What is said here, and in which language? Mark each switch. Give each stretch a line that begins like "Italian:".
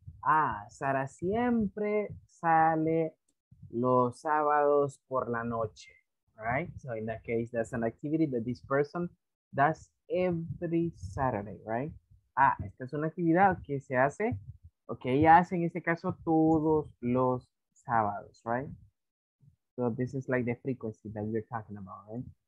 Spanish: Ah, Sarah siempre sale los sábados por la noche, right?
English: So in that case, that's an activity that this person does every Saturday, right?
Spanish: Ah, esta es una actividad que se hace, okay, ella hace en este caso todos los sábados, right?
English: So this is like the frequency that we're talking about, right?